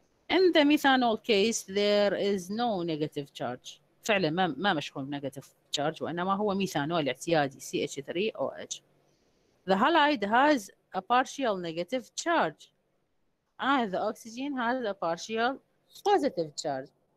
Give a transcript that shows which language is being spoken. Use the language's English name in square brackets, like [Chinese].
[English] In the methanol case, there is no negative charge. [Arabic] فعلا ما مشغول negative charge، وإنما هو ميثانول اعتيادي CH3OH. [English] The halide has a partial negative charge and the oxygen has a partial positive charge.